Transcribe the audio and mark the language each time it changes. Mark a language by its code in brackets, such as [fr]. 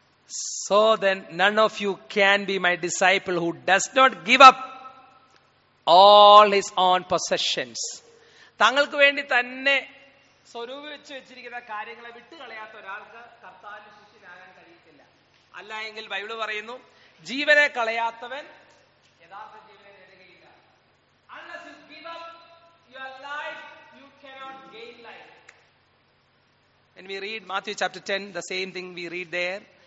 [en] So then none of you can be my disciple who does not give up all his own possessions. [ml] തങ്ങൾക്ക് വേണ്ടി തന്നെ സ്വരൂപിച്ചു വെച്ചിരിക്കുന്ന കാര്യങ്ങളെ വിട്ടുകളയാത്ത ഒരാൾക്ക് കർത്താവിന്റെ ശിഷ്യനാകാൻ കഴിയത്തില്ല. അല്ല എങ്കിൽ ബൈബിള് പറയുന്നു, ജീവനെ കളയാത്തവൻ യഥാർത്ഥ ജീവനെ നേടുകയില്ല. [en] Unless you give up your life, you cannot gain life. When we read Matthew chapter 10, the same thing we read there.